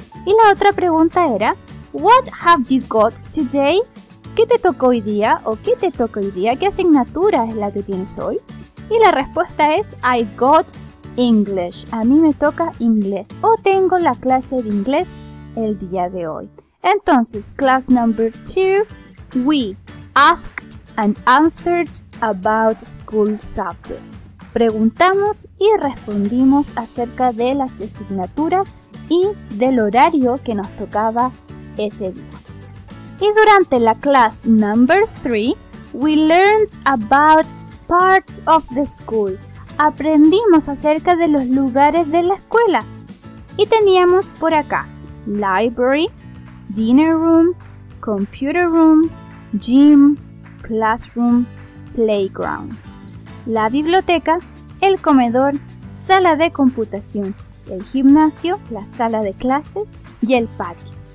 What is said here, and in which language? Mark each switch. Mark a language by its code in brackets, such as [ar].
[es] Y la otra pregunta era, [en] what have you got today? [es] ¿Qué te tocó hoy día? ¿O qué te tocó hoy día? ¿Qué asignatura es la que tienes hoy? Y la respuesta es, [en] I got English. [es] A mí me toca inglés. O tengo la clase de inglés el día de hoy. [en] Entonces, class number 2, we asked and answered about school subjects. [es] Preguntamos y respondimos acerca de las asignaturas y del horario que nos tocaba ese día. Y durante la [en] class number 3, we learned about parts of the school. [es] aprendimos acerca de los lugares de la escuela. Y teníamos por acá, [en] library, dinner room, computer room, gym, classroom, playground, [es] la biblioteca, el comedor, sala de computación, el gimnasio, la sala de clases y el patio.